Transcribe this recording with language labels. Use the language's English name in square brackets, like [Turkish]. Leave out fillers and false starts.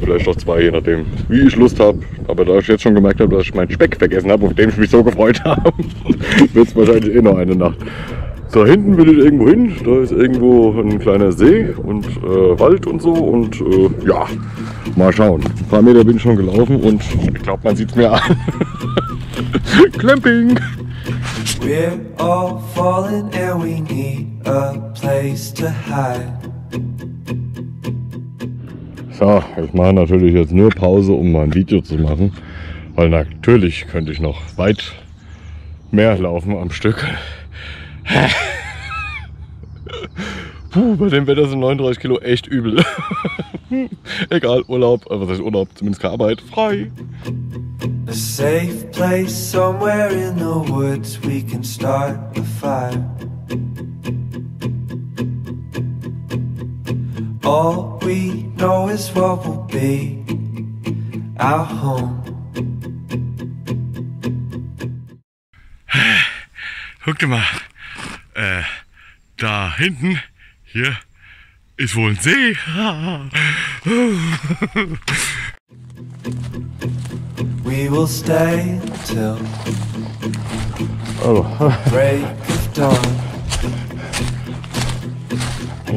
[German] Vielleicht noch zwei, je nachdem, wie ich Lust habe. Aber da ich jetzt schon gemerkt habe, dass ich meinen Speck vergessen habe, auf den ich mich so gefreut habe, wird es wahrscheinlich eh noch eine Nacht. Da hinten will ich irgendwo hin. Da ist irgendwo ein kleiner See und Wald und so. Und ja, mal schauen. Ein paar Meter bin ich schon gelaufen und ich glaube, man sieht es mir an. Clamping! [English] We're all falling and we need a place to hide. [German] So, ich mache natürlich jetzt nur Pause, um mal ein Video zu machen. Weil natürlich könnte ich noch weit mehr laufen am Stück. Puh, bei dem Wetter sind 39 Kilo echt übel. Egal, Urlaub, was heißt Urlaub, zumindest keine Arbeit, frei. [English] A safe place somewhere in the woods, we can start a fire. All we know is what will be our home. [German] Guck dir mal, da hinten, hier, ist wohl ein See. [English] We will stay till break of dawn.